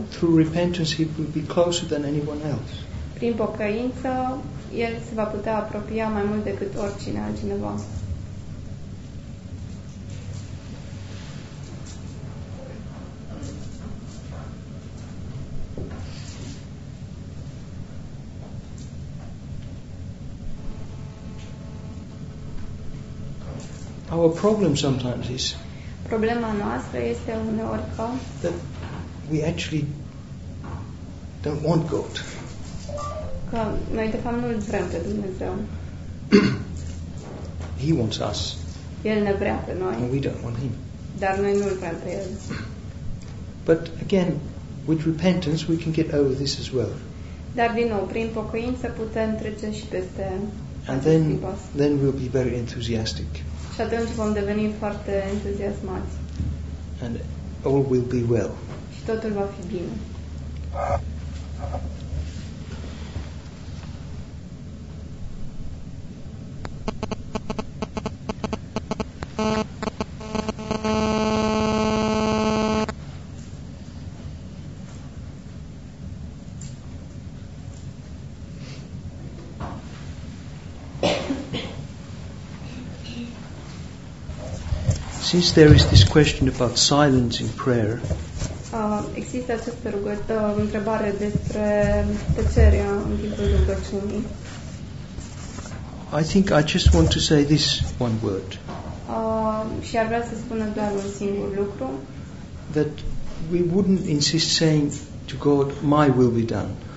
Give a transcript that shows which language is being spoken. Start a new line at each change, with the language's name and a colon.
English: Through repentance, he will be closer than anyone else.
Romanian: Prin pocăință, el se va putea apropia mai mult decât oricine altcineva.
English: Our problem sometimes is
Romanian: problema noastră este uneori că
English: that we actually don't want God.
Romanian: Că noi de fapt nu-l vrem pe Dumnezeu.
English: He wants us.
Romanian: El ne vrea pe noi.
English: And we don't want him.
Romanian: Dar noi nu-l vrem pe el.
English: But again, with repentance we can get over this as well.
Romanian: Dar din nou, prin pocăință putem trece și peste.
English: And then we'll be very enthusiastic.
Romanian: Și atunci vom deveni foarte entuziasmați.
English: And all will be well.
Romanian: Și totul va fi bine.
English: Since there is this question about silence in prayer,
Romanian: există această întrebare despre tăcerea în timpul rugăciunii.
English: I think I just want to say this one word.
Romanian: Și ar vrea să spun doar un singur lucru.
English: That we wouldn't insist saying to God, "My will be done."